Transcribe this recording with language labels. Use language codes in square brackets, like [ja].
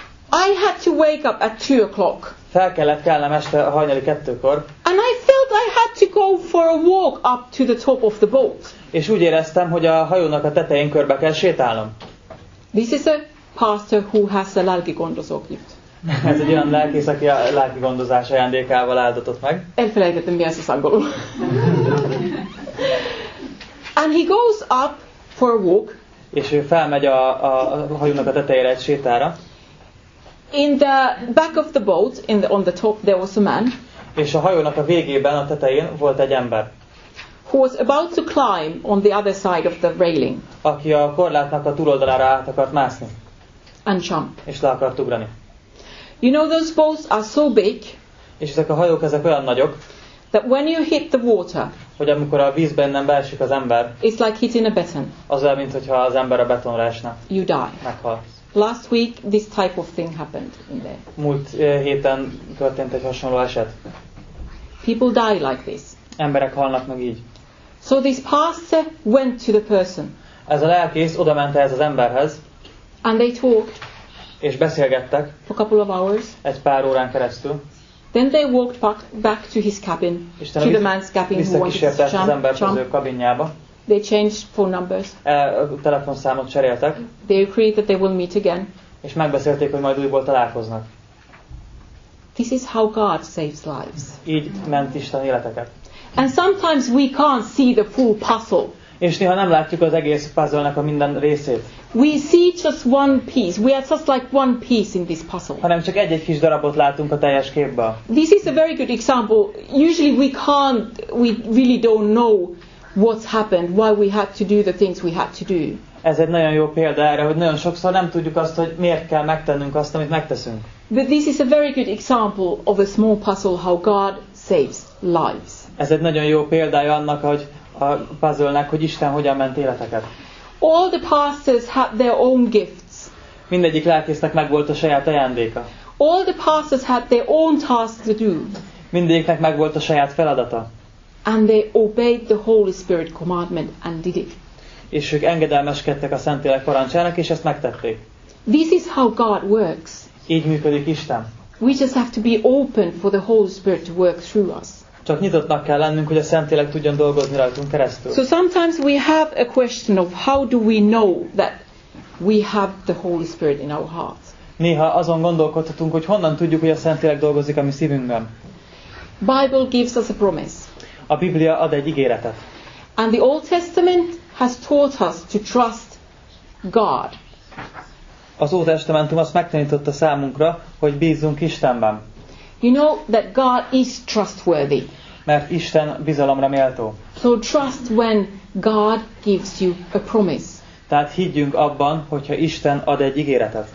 [en] I had to wake up at 2 o'clock. [hu] Fel kellett kelnem este a hajnali 2-kor. [en] And I felt I had to go for a walk up to the top of the boat. [hu] És úgy éreztem, hogy a hajónak a tetején körbe kell sétálnom. [en] This is a pastor who has a [hu] lelki gondozó [en] gift. [hu] Ez egy olyan lelkész, aki a lelki gondozás ajándékával áldatott meg. Elfelejtettem, mi az az angolul. [en] And he goes up for a walk. [hu] És ő felmegy a hajónak a tetejére egy sétára. [en] In the back of the boat, in the, on the top, there was a man. [hu] És a hajónak a végében, a tetején volt egy ember. [en] Who was about to climb on the other side of the railing. [hu] Aki a korlátnak a túloldalára át akart mászni. [en] And jump. [hu] És le akart ugrani. [en] You know those boats are so big. [hu] És ezek a hajók ezek olyan nagyok. [en] That when you hit the water, [hu] hogy amikor a vízben nem beesik az ember, [en] it's like hitting a beton. [hu] Az olyan, mint hogyha az ember a betonra esne. [en] You die. [hu] Meghalsz. [en] Last week this type of thing happened in there. [hu] Múlt héten történt egy hasonló eset. [en] People die like this. [hu] Emberek halnak meg így. [en] So this pastor went to the person. [hu] Ez a lelkész oda ment ehhez az emberhez. [en] And they talked. [hu] És beszélgettek. [en] For a couple of hours. [hu] Egy pár órán keresztül. [en] Then they walked back to his cabin, to the man's cabin who wanted to jump. They changed phone numbers. [hu] Telefonszámot cseréltek. [en] They agreed that they will meet again. [hu] És megbeszélték, hogy majd újból találkoznak. [en] This is how God saves lives. [hu] Így ment Isten életeket. [en] And sometimes we can't see the full puzzle. [hu] És néha nem látjuk az egész puzzle-nek a minden részét. [en] We see just one piece. We are just like one piece in this puzzle. [hu] Hanem csak egy-egy kis darabot látunk a teljes képből. [en] This is a very good example. Usually we really don't know what's happened, why we had to do the things we had to do. [hu] Ez egy nagyon jó példa erre, hogy nagyon sokszor nem tudjuk azt, hogy miért kell megtennünk azt, amit megteszünk. [en] But this is a very good example of a small puzzle how God saves lives. [hu] Ez egy nagyon jó példája annak, hogy a puzzle-nek, hogy Isten hogyan ment életeket. [en] All the pastors had their own gifts. [hu] Mindegyik lelkésznek megvolt a saját ajándéka. [en] All the pastors had their own tasks to do. [hu] Mindegyiknek megvolt a saját feladata. [en] And they obeyed the Holy Spirit commandment and did it. [hu] És ők engedelmeskedtek a Szentlélek parancsának, és ezt megtették. [en] This is how God works. [hu] Így működik Isten. [en] We just have to be open for the Holy Spirit to work through us. [hu] Csak nyitottnak kell lennünk, hogy a Szentlélek tudjon dolgozni rajtunk keresztül. [en] So sometimes we have a question of how do we know that we have the Holy Spirit in our hearts. [hu] Néha azon gondolkodhatunk, hogy honnan tudjuk, hogy a Szentlélek dolgozik a mi szívünkben. [en] Bible gives us a promise. [hu] A Biblia ad egy ígéretet. [en] And the Old Testament has taught us to trust God. [hu] Az Új Testamentum azt megtanította számunkra, hogy bízzunk Istenben. [en] You know that God is trustworthy. [hu] Mert Isten bizalomra méltó. [en] So trust when God gives you a promise. [hu] Tehát higgyünk abban, hogyha Isten ad egy ígéretet.